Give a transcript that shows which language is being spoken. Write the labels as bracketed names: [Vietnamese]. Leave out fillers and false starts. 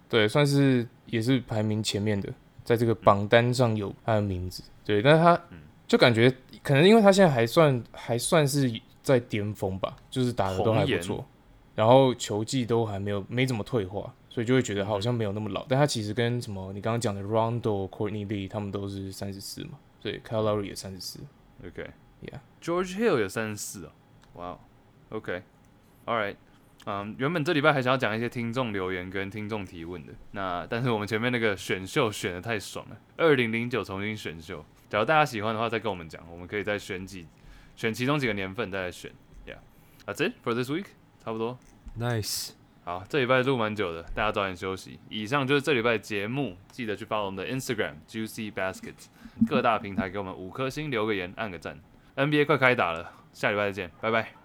[Chinese] 对，算是也是排名前面的。在这个榜单上有他的名字，对，但是他就感觉可能因为他现在还算是在巅峰吧，就是打的都还不错，然后球技都还没怎么退化，所以就会觉得好像没有那么老。但他其实跟什么你刚刚讲的 Rondo、Courtney Lee 他们都是34嘛，所以 Kyle Lowry 也34 [English] ，OK， yeah， [Chinese] George Hill 也34哦，哇、wow. ， [English] OK， all right。 [Chinese] 原本这礼拜还想要讲一些听众留言跟听众提问的，那但是我们前面那个选秀选的太爽了，2009重新选秀，假如大家喜欢的话，再跟我们讲，我们可以再选其中几个年份再来选。 [English] Yeah， that's it for this week， [Chinese] 差不多。 [English] Nice， [Chinese] 好，这礼拜录蛮久的，大家早点休息。以上就是这礼拜的节目，记得去 follow 我们的 Instagram Juicy Baskets， 各大平台给我们五颗星，留个言，按个赞。 NBA 快开打了，下礼拜再见，拜拜，